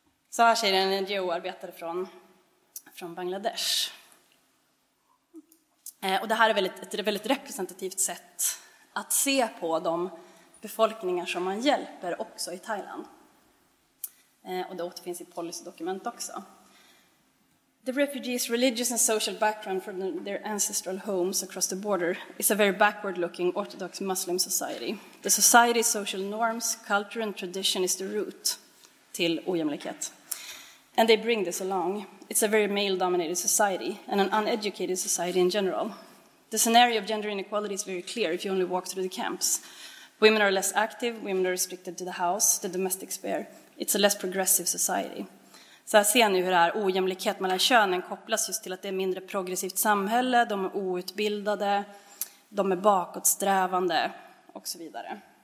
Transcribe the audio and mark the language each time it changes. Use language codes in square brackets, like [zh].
[sv] Så här säger en NGO-arbetare från Bangladesh. Och det här är väldigt, ett väldigt representativt sätt att se på de befolkningar som man hjälper också i Thailand. Och det återfinns i policydokument också. [en] The refugees' religious and social background from their ancestral homes across the border is a very backward-looking orthodox Muslim society. The society's social norms, culture and tradition is the root [sv] till ojämlikhet. [en] And they bring this along. It's a very male-dominated society and an uneducated society in general. The scenario of gender inequality is very clear if you only walk through the camps. Women are less active, women are restricted to the house, the domestic sphere. It's a less progressive society. [sv] Så här ser ni hur det här ojämlikhet mellan könen kopplas just till att det är mindre progressivt samhälle, de är outbildade, de är bakåtsträvande och så vidare.